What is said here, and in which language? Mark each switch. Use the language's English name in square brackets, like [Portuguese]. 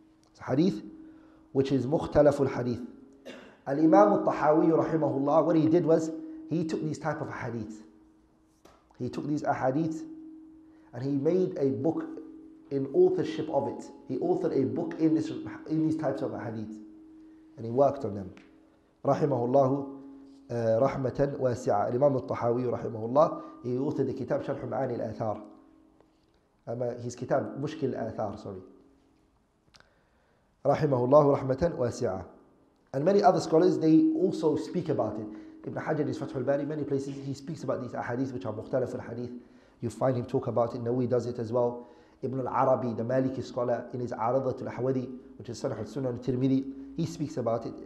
[English] It's a hadith which is mukhtalaful hadith. Al-Imam al-Tahawi rahimahullah, what he did was, he took these type of hadith. He took these ahadith and he made a book in authorship of it. He authored a book in these types of ahadith. And he worked on them. Rahimahullah. [Arabic] رحمة واسعة الإمام الطحاوي رحمه الله يوثد كتاب شرح معاني الآثار أما his كتاب مشكل الآثار sorry رحمه الله رحمة واسعة. [English] And many other scholars, they also speak about it. Ibn Hajar is Fathul Bari, many places he speaks about these ahadith which are [Arabic] مختلف الحديث. [English] You find him talk about it. Nawawi does it as well. Ibn al-Arabi, the Maliki scholar, in his A'radatul Ahwadi, which is Sanah al-Sunan al-Tirmidhi, he speaks about it.